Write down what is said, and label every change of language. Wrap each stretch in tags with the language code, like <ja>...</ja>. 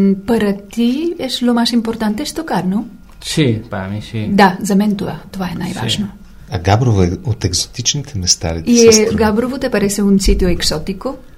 <es>Para ti es lo más importante es tocar, ¿no? Sí, para mí sí.</es> <bg>Да, за мен това е най-важно. А Габрово е от екзотичните места ли? И Габрово те</bg> <es>parece un sitio exótico.</es>